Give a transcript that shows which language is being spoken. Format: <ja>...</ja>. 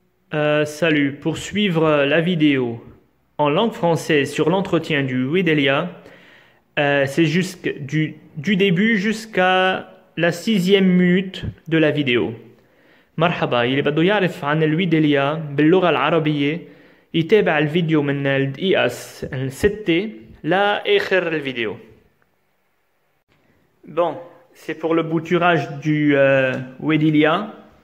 <fr>Salut, pour suivre la vidéo en langue française sur l'entretien du Wedelia, c'est juste du début jusqu'à la 6e minute de la vidéo.</fr> <ar>مرحبا يلي بده يعرف عن الويدليا باللغة العربية يتابع الفيديو من الدقيقة الستة لآخر الفيديو.</ar> <fr>Bon, c'est pour le bouturage du Wedelia.</fr>